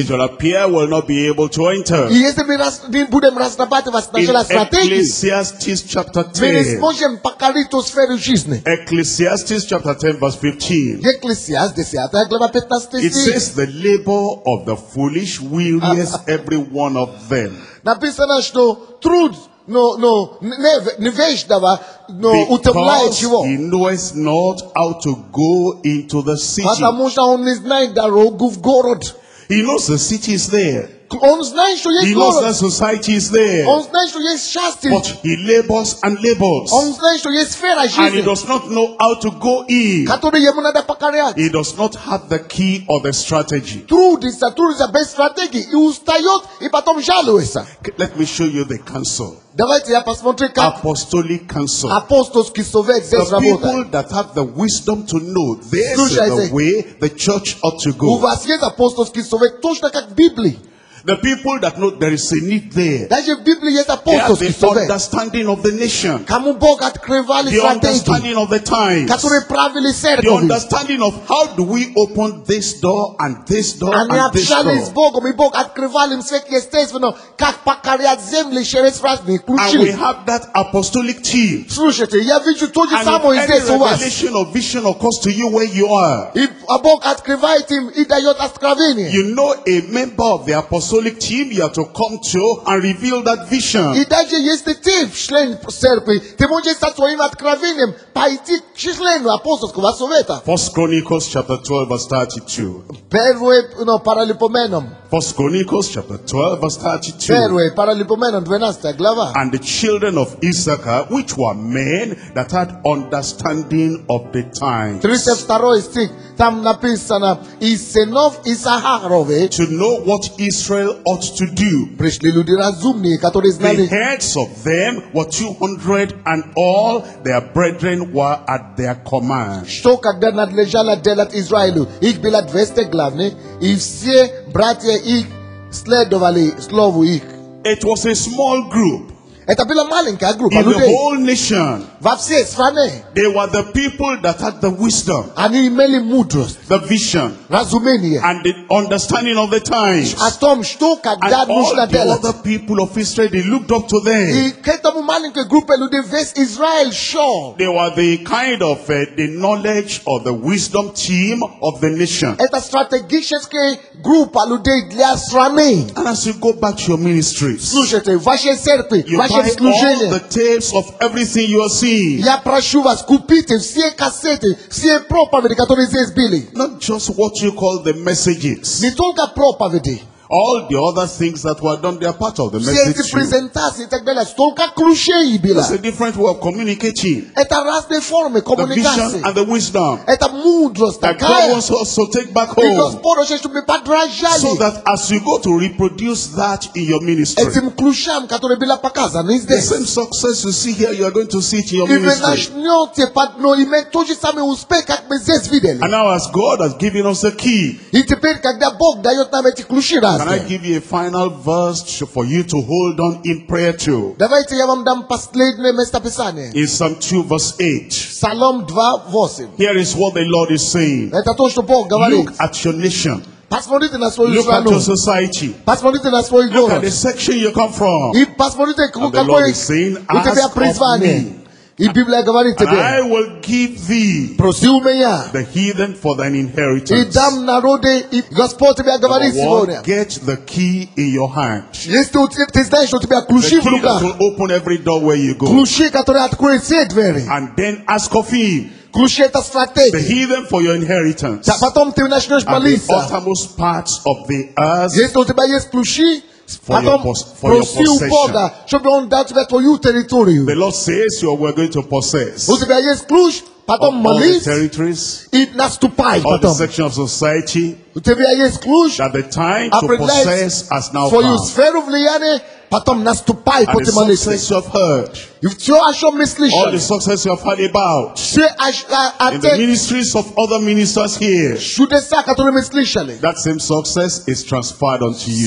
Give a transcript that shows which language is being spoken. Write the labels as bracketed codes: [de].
[en] It will appear, will not be able to enter. [ru] И если мы не будем разрабатывать вас сначала стратегии, [en] Ecclesiastes chapter 10, [ru] мы не сможем покорить ту сферу жизни. [en] Ecclesiastes chapter 10 verse 15. [ru] Ecclesiastes 10 глава 15. [en] It says the labor of the foolish wearies every one of them. [ru] Написано, что труд, невеждого, но утомляет его. [en] He knows not how to go into the city. [ru] Потому что он не знает дорогу в город. [en] He knows the city is there. [ru] Он знает, что есть город. [en] He knows the society is there. [ru] Он знает, что есть счастье. [en] But he labors and labors. [ru] Он знает, что есть сфера жизни. [en] And he does not know how to go in. [ru] Который ему надо покорять. [en] He does not have the key or the strategy. [ru] Труд [en] is the best strategy. [ru] И устает, и потом жалуется. [en] Let me show you the counsel. [ru] Давайте я посмотрю, как [en] apostolic counsel. [ru] Апостольский совет здесь работает. [en] The people that have the wisdom to know this is the way the church ought to go. [ru] У вас есть апостольский совет, точно как в Библии. [en] The people that know there is a need there. [ru] Даже в Библии есть апостольский совет. [en] They have the understanding of the nation. [ru] Кому Бог открывали стратегии. [en] The understanding of the times. [ru] Которые правили церковью. [en] The understanding of how do we open this door and this door and this door. [ru] Они общались с Богом, и Бог открывал им всякие естественно, как покорять земли через разные ключи. [en] And we have that apostolic team. [ru] Слушайте, я вижу то же самое здесь у вас. [en] And any revelation or vision occurs to you where you are. [ru] И Бог открывает им и дает откровение. [en] You know a member of the apostolic Solic team, you have to come to and reveal that vision. [ru] И даже если ты член церкви, ты можешь со своим откровением пойти к члену апостольского совета. [en] First Chronicles chapter 12 verse 32. [ru] Первое паралипоменон. [en] First Chronicles chapter 12 verse 32. [ru] Первое паралипоменон 12 глава. [en] And the children of Issachar, which were men that had understanding of the times. [ru] 32 стих. Там написано, и сынов Исахарове, [en] to know what Israel ought to do. [ru] Пришли люди разумные, которые знали. [en] The heads of them were 200, and all their brethren were at their command. [ru] Что когда надлежало делать Израилю? Их было 200 главные, и все братья их следовали слову их. [en] It was a small group. [ru] Это была маленькая группа людей. [en] In the whole nation, [ru] во всей стране, [en] they were the people that had the wisdom, [ru] они имели мудрость, [en] the vision, [ru] разумение, [en] and the understanding of the times. [ru] О том, что когда нужно делать. [en] And all the other people of Israel, they looked up to them. [ru] И к этому маленькой группе людей весь Израиль шел. [en] They were the kind of the knowledge or the wisdom team of the nation. [ru] Это стратегическая группа людей для страны. [en] And as you go back to your ministries, [ru] слушайте, в вашей церкви, я прошу вас, купите все кассеты, все проповеди, которые здесь были. [en] Not just what you call the messages. [ru] Не только проповеди. [en] All the other things that were done, they are part of the message. [ru] Все эти презентации, так далее, столько ключей было. [en] It's a different way of communicating. [ru] Это разные формы коммуникации. [en] The vision and the wisdom. [ru] Это мудрость, такая. [en] That God wants us to take back home. Because [ru] Бог хочет, чтобы мы подражали. [en] So that as you go to reproduce that in your ministry. [ru] Этим ключам, которые были показаны здесь. [en] The same success you see here, you are going to see it in your ministry. [ru] И вы начнете, но иметь тот же самый успех, как мы здесь видели. [en] And now as God has given us the key. [ru] И теперь, когда Бог дает нам эти ключи, [en] can I give you a final verse for you to hold on in prayer to? [ru] Давайте я вам дам последнее местописание. [en] In Psalm 2 verse 8. Psalm 2 verse 8. Here is what the Lord is saying. [ru] Это то, что Бог говорит. [en] Look at your nation. [ru] Посмотрите на свою [en] Look [ru] страну. [en] At your society. [ru] Посмотрите на свой город. [en] Look at the section you come from. [ru] И посмотрите, какое у тебя призвание. И Библия говорит тебе, [en] I will give thee, [ru] проси у меня, [en] the heathen for thine inheritance. [ru] И дам народы, и Господь тебе говорит [en] one, [ru] сегодня, [en] get the key in your hand. [ru] Если ты знаешь, что у тебя ключи в руках, [en] that will open every door where you go. [ru] Ключи, которые откроют все двери. [en] And then ask of him, [ru] ключи это стратегия. [en] The heathen for your inheritance. [ru] Да, потом ты начнешь молиться. [en] And the uttermost parts of the earth. [ru] Если у тебя есть ключи, [en] for [ru] потом [en] your possession. [ru] Бога, чтобы он дал тебе твою территорию. [en] The Lord says you are going to possess. [ru] У тебя есть ключ, потом [en] of [ru] молись, [en] all the territories, [ru] и наступай [en] all the section of society, [ru] у тебя есть ключ, [en] that the time to possess has now for your [ru] сферу влияния, потом наступай, [en] and the success you have heard, all the success you have heard about, in the ministries of other ministers here, that same success is transferred unto you.